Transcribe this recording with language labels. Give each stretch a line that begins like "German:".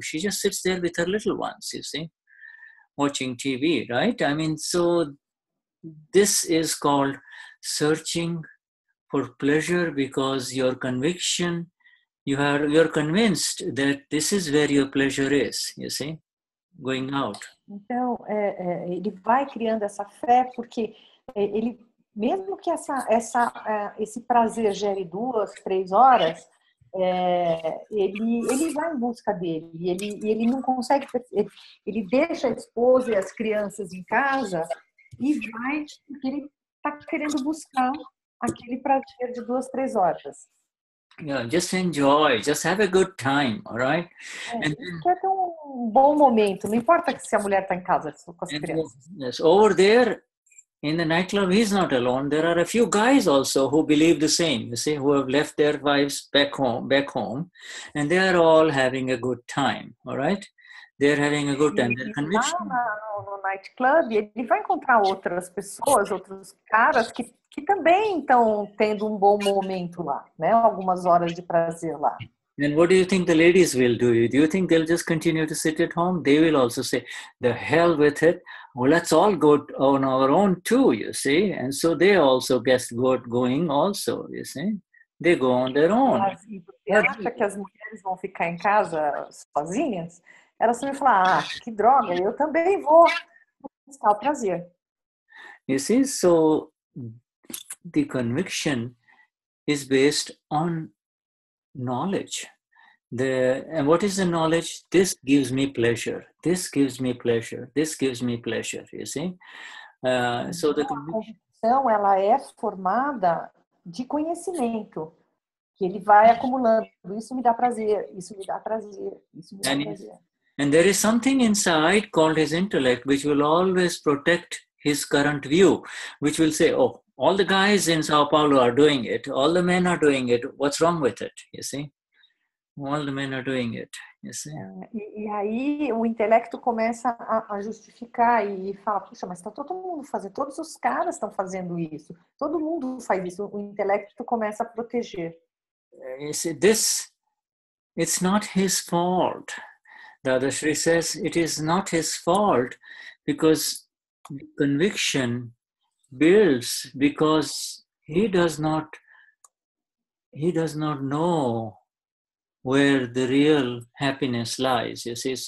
English: She just sits there with her little ones, you see, watching TV, right? I mean, so this is called searching for pleasure because your conviction, you're convinced that this is where your pleasure is, you see, going out.
Portuguese: Então, ele vai criando essa fé porque ele, mesmo que esse prazer gere 2, 3 horas, ele vai em busca dele e ele não consegue, ele deixa a esposa e as crianças em casa. E vai, porque ele está querendo buscar aquele prazer de 2, 3 horas.
English: Yeah, just enjoy, just have a good time, all right?
Portuguese: Ele quer ter um bom momento, não importa se a mulher está em casa com as crianças.
English: Yes, over there, in the nightclub, he's not alone. There are a few guys also who believe the same, you see, who have left their wives back home, and they are all having a good time, all right? They're having a good time. They're convinced.
Portuguese: No nightclub, ele vai encontrar outras pessoas, outros caras que também estão tendo um bom momento lá, né? Algumas horas de prazer lá.
English: And what do you think the ladies will do? Do you think they'll just continue to sit at home? They will also say, the hell with it. Well, let's all go on our own too, you see. And so they also get going also, you see. They go on their own.
Portuguese: Você acha que as mulheres vão ficar em casa sozinhas? Ela sempre fala, ah, que droga, eu também vou buscar o prazer.
English: You see, so the conviction is based on knowledge. And what is the knowledge? This gives me pleasure. This gives me pleasure. This gives me pleasure, you see? So the
Portuguese: convicção, ela é formada de conhecimento. Que ele vai acumulando. Isso me dá prazer, isso me dá prazer, isso me dá prazer.
English: And there is something inside called his intellect, which will always protect his current view, which will say, oh, all the guys in Sao Paulo are doing it, all the men are doing it, what's wrong with it, you see? All the men are doing it, you see?
Portuguese: E aí o intelecto começa a justificar e fala, puxa, mas está todo mundo fazendo, todos os caras estão fazendo isso, todo mundo faz isso, o intelecto começa a proteger.
English: You see, this, it's not his fault. Dada Shri says, it is not his fault because the conviction builds because he does not know where the real happiness lies, you see.